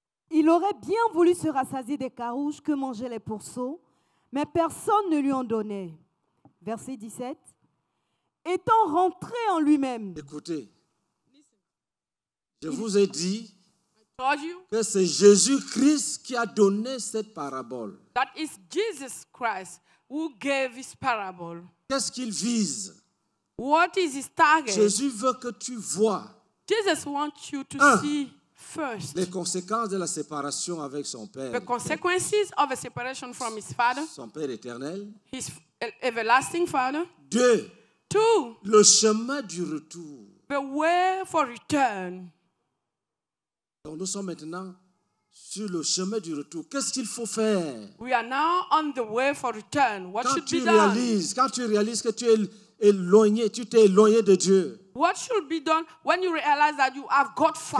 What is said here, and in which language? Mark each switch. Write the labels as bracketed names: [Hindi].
[French] Il aurait bien voulu se rassasier des carouches que mangeaient les pourceaux, mais personne ne lui en donnait. Verset 17. Étant rentré en lui-même. Écoutez, je vous ai dit que c'est Jésus-Christ qui a donné cette parabole. [English] That is Jesus Christ who gave this parable. [French] Qu'est-ce qu'il vise? [English] What is his target? [French] Jésus veut que tu vois. [English] Jesus wants you to see first. [French] Les conséquences de la séparation avec son père. [English] The consequences of a separation from his father. [French] Son père éternel. [English] His everlasting father. [French] Deux. [English] Two. [French] Le chemin du retour. [English] The way for return. [French] Donc nous sommes maintenant sur le chemin du retour. Qu'est-ce qu'il faut faire? [English] We are now on the way for return. What [French] quand [English] should [French] tu [English] be [French] réalises, [English] done? [French] Quand tu réalises que tu es éloigné, tu t'es éloigné de Dieu. [English] What should be done when you realize that you have got far